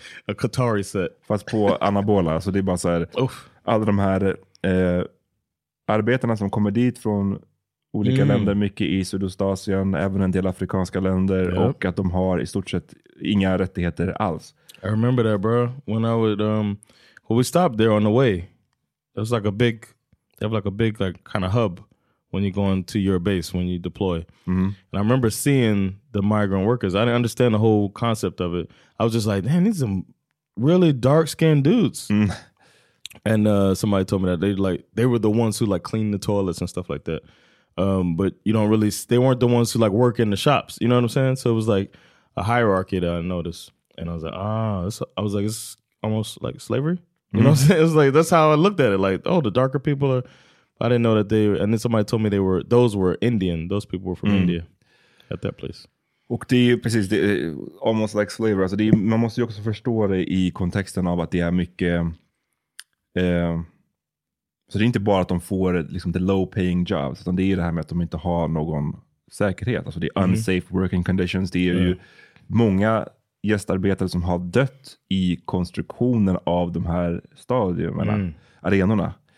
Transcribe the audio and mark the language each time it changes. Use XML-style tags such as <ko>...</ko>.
<en>a Qatari set.</en> <sv>Fast på anabola. Så det är bara så här. Uff. Alla de här arbetarna som kommer dit från olika länder, mycket i Sydostasien, även en del afrikanska länder, och att de har i stort sett inga rättigheter alls.</sv> <en>I remember that, bro. When I would when we stopped there on the way, it was like a big, they have like a big like kind of hub when you go into your base when you deploy. Mm-hmm. And I remember seeing the migrant workers. I didn't understand the whole concept of it. I was just like, "Man, these are some really dark-skinned dudes." Mm. And somebody told me that they like they were the ones who like cleaned the toilets and stuff like that. But you don't really, they weren't the ones who like work in the shops, you know what I'm saying? So it was like a hierarchy that I noticed. And I was like, ah, this, I was like, it's almost like slavery. You know what I'm saying? It was like, that's how I looked at it. Like, oh, the darker people are, I didn't know that they, and then somebody told me they were, those were Indian. Those people were from India at that place.</en> <sv>Och det är precis, det är</sv> <en>almost like slavery.</en> <sv>Alltså det är, man måste ju också förstå det i kontexten av att det är mycket, så det är inte bara att de får liksom</sv> <en>the low paying jobs,</en> <sv>utan det är det här med att de inte har någon säkerhet. Alltså det är</sv> <en>unsafe working conditions.</en> <sv>Det är ju många gästarbetare som har dött i konstruktionen av de här stadionerna, arenorna.</sv>